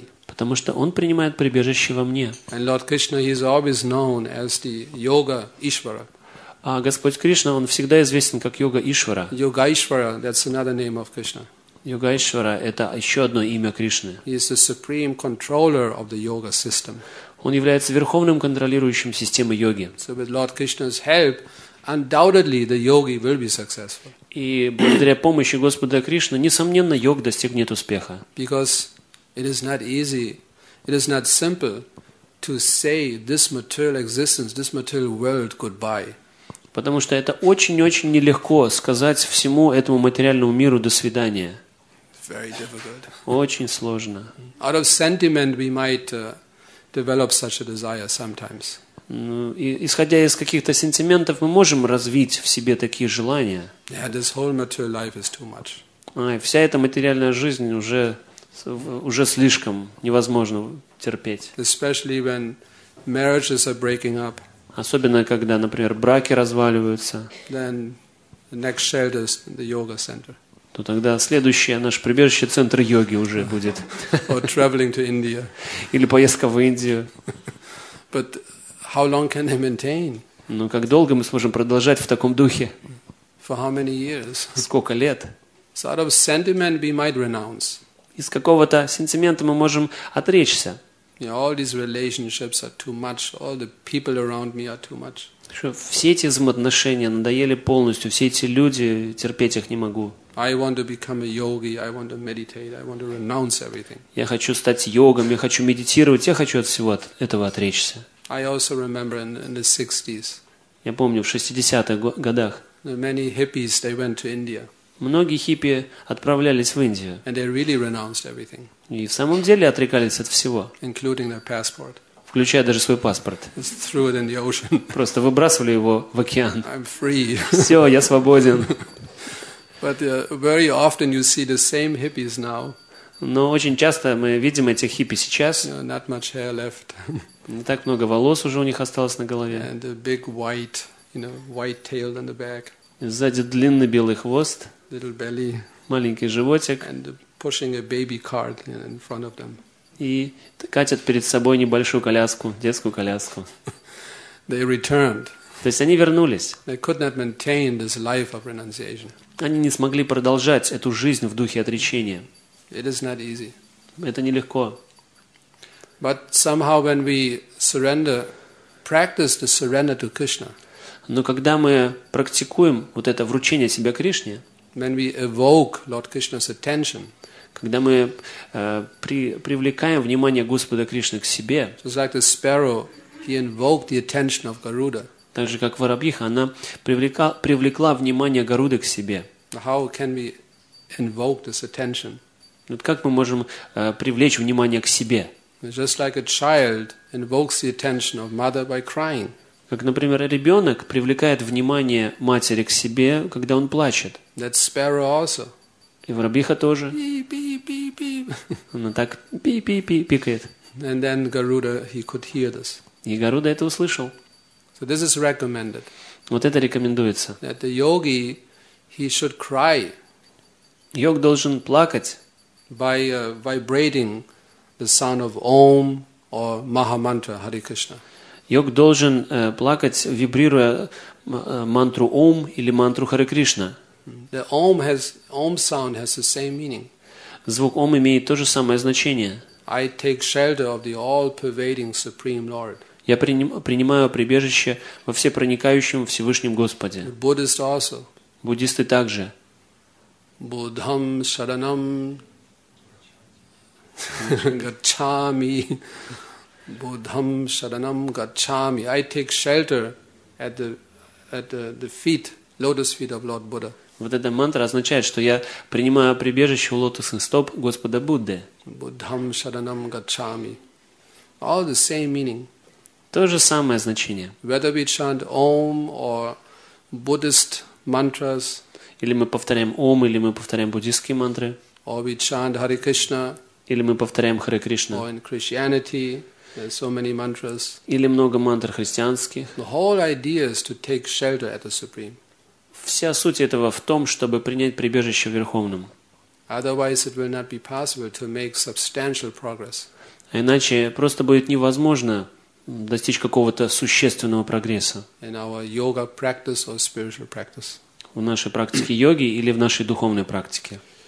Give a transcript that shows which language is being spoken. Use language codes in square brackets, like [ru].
[ru] потому что он принимает прибежище во мне. [en] And Lord Krishna, he is always known as the Yoga Ishvara. [ru] А Господь Кришна, он всегда известен как Йога Ишвара. [en] Yoga Ishvara, that's another name of Krishna. [ru] Йога Ишвара – это еще одно имя Кришны. [en] He is the supreme controller of the yoga system. [ru] Он является верховным контролирующим системы йоги. [en] So with Lord Krishna's help, undoubtedly the yogi will be successful. [ru] И благодаря помощи Господа Кришны, несомненно, йог достигнет успеха. [en] Because it is not easy, it is not simple to say this material existence, this material world goodbye. [ru] Потому что это очень-очень нелегко сказать всему этому материальному миру «до свидания». [en] Very difficult. [ru] Очень сложно. [en] Out of sentiment we might develop such a desire sometimes. [ru] Ну, исходя из каких-то сентиментов, мы можем развить в себе такие желания. [en] Yeah, this whole material life is too much. [ru] Ай, вся эта материальная жизнь уже слишком, невозможно терпеть. [en] Especially when marriages are breaking up. [ru] Особенно, когда, например, браки разваливаются, [en] then the next shelter is the yoga center. [ru] То тогда следующее наше прибежище – центр йоги уже будет. [en] Or traveling to India. [ru] Или поездка в Индию. [en] But how long can they maintain? [ru] Ну, как долго мы сможем продолжать в таком духе? [en] For how many years? [ru] Сколько лет? [en] So out of sentiment we might renounce. [ru] Из какого-то сентимента мы можем отречься. [en] You know, all these relationships are too much. All the people around me are too much. [ru] Все эти взаимоотношения надоели полностью. Все эти люди, терпеть их не могу. [en] I want to become a yogi. I want to meditate. I want to renounce everything. [ru] Я хочу стать йогом. Я хочу медитировать. Я хочу от всего этого отречься. [en] I also remember in the 60s. [ru] Я помню в 60-х годах. [en] Many hippies they went to India. [ru] Многие хиппи отправлялись в Индию. [en] And they really renounced everything. [ru] И в самом деле отрекались от всего. [en] Including their passport. [ru] Включая даже свой паспорт. [en] Threw it in the ocean. [ru] Просто выбрасывали его в океан. [en] I'm free. [ru] Все, я свободен. [en] But very often you see the same hippies now. [ru] Но очень часто мы видим этих хиппи сейчас. [en] You know, not much hair left. [ru] Не так много волос уже у них осталось на голове. [en] And a big white, you know, white tail on the back. [ru] И сзади длинный белый хвост. [en] Little belly. [ru] Маленький животик. [en] And pushing a baby cart in front of them. [ru] И катят перед собой небольшую коляску, детскую коляску. [en] They returned. [ru] То есть они вернулись. [en] They could not maintain this life of renunciation. [ru] Они не смогли продолжать эту жизнь в духе отречения. [en] It is not easy. [ru] Это нелегко. [en] But somehow when we surrender, practice the surrender to Krishna. [ru] Но когда мы практикуем вот это вручение себя Кришне, [en] when we evoke Lord Krishna's attention, [ru] когда мы привлекаем внимание Господа Кришны к себе, [en] just like the sparrow, he invoked the attention of Garuda. [ru] Так же, как воробьиха, она привлекла внимание Гаруды к себе. [en] How can we invoke this attention? [ru] Вот как мы можем привлечь внимание к себе? [en] Just like a child invokes the attention of mother by crying. [ru] Как, например, ребенок привлекает внимание матери к себе, когда он плачет. [en] That sparrow also. [ru] И воробьиха тоже. [en] Beep. [ru] Она так пикает. [en] And then Garuda, he could hear this. [ru] И Гаруда это услышал. [en] So this is recommended. [ru] Вот это рекомендуется. [en] That the yogi, he should cry. [ru] Йог должен плакать. [en] By vibrating the sound of Om or Maha Mantra, Hare Krishna. [ru] Йог должен плакать, вибрируя мантру Ом или мантру Харе Кришна. [en] The Om has, Om sound has the same meaning. [ru] Звук Ом имеет то же самое значение. [en] I take shelter of the all-pervading Supreme Lord. [ru] Я принимаю прибежище во всепроникающем Всевышнем Господе. [en] The Buddhist also. [ru] Буддисты также. [pi] Buddham Sharanam Gacchami. Buddham Sharanam Gacchami. [en] I take shelter at the feet, lotus feet of Lord Buddha. [ru] Вот эта мантра означает, что я принимаю прибежище у лотосных стоп Господа Будды. [pi] Buddham Sharanam Gacchami. [en] All the same meaning. [ru] То же самое значение. [en] Whether we chant Om or Buddhist mantras. [ru] Или мы повторяем Ом, или мы повторяем буддийские мантры. [en] Or we chant Hare Krishna. [ru] Или мы повторяем Харе Кришна. [en] Or in Christianity. There's so many mantras. [ru] Или много мантр христианских. [en] The whole idea is to take shelter at the Supreme. [ru] Вся суть этого в том, чтобы принять прибежище в Верховном. [en] Otherwise, it will not be possible to make substantial progress. [ru] А иначе просто будет невозможно достичь какого-то существенного прогресса. [en] In our yoga practice or spiritual practice. [ru] В нашей практике йоги или в нашей духовной практике.